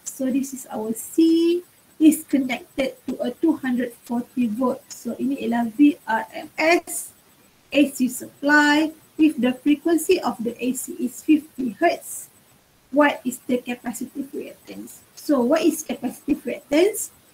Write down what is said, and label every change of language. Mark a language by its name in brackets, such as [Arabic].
[English] So this is our C is connected to a 240 volt. [Malay] So ini ialah VRMS, AC supply. [English] If the frequency of the AC is 50 Hz, what is the capacitive reactance? So what is capacitive reactance?